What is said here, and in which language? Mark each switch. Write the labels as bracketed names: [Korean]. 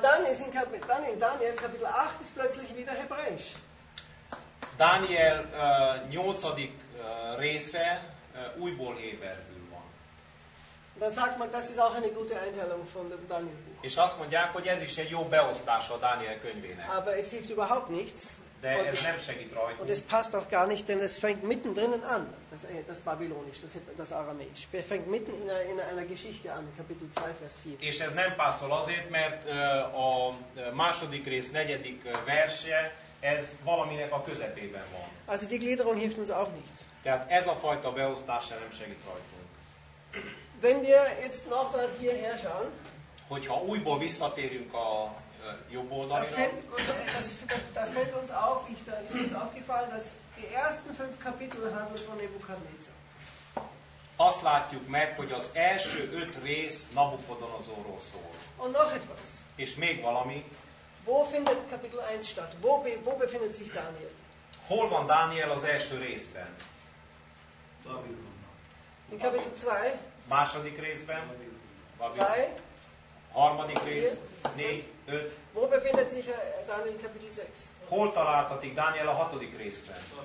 [German] Dann in Daniel Kapitel 8 ist plötzlich wieder Hebräisch. [Hungarian] Daniel 8. Része újból héberül van. [German] Dann sagt man, das ist auch eine gute Einteilung von dem Daniel Buch. [Hungarian] És azt mondják, hogy ez is egy jó beosztás a Daniel könyvének. [German] Aber es hilft überhaupt nichts. [Hungarian] De und ez nem segít rajtunk. [German] Und es passt auch gar nicht, denn es fängt mittendrin an, das Babylonisch, das Aramäisch. Es fängt mitten in einer Geschichte an, Kapitel 2, Vers 4. [Hungarian] És ez nem passzol azért, mert a második rész, negyedik verse, ez valaminek a közepében van. [German] Also die Gliederung hilft uns auch nichts. [Hungarian] Tehát ez a fajta beosztás nem segít rajtunk. [German] Wenn wir jetzt nochmal hierher schauen, [Hungarian] hogyha újból visszatérünk a jobb oldalra, [German] da fällt uns auf, ist uns aufgefallen, dass die ersten fünf Kapitel handeln von Nebukadnezar. [Hungarian] Azt látjuk meg, hogy az első öt rész Nabukodonozorról szól. [German] Und noch etwas. [Hungarian] És még valami. [German] Wo findet Kapitel 1 statt? Wo befindet sich Daniel? [Hungarian] Hol van Daniel az első részben? Babylonban. [German] In Kapitel 2? [Hungarian] Második részben. 2? Harmadik rész. 4, 5. [German] Wo befindet sich Daniel in Kapitel 6? [Hungarian] Hol találtatik Daniel a hatodik részben?